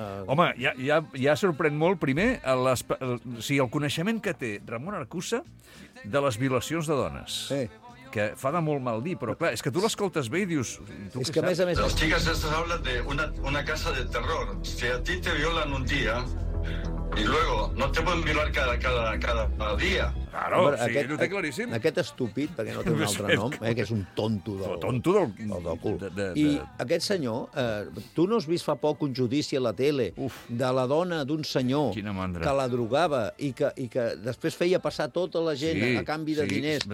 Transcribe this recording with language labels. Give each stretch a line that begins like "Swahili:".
Catalan: Home, ja sorprèn molt, primer, el coneixement que té Ramon Arcusa de les violacions de dones. Que fa de molt mal dir, però clar, és que tu l'escoltes bé i dius... És que a més...
Spanish: Les chicas estas hablan de una casa de terror. Si a ti te violan un día y luego no te pueden violar cada día. Claro, hombre,
Catalan: sí, aquest, ho té claríssim. Aquest estúpid, perquè no té un altre nom, que és un
Spanish: tonto del...
Catalan: Tonto del cul. I aquest senyor, tu no has vist fa poc un judici a la tele de la dona d'un senyor que la drogava i que després feia passar tota la gent a canvi de diners.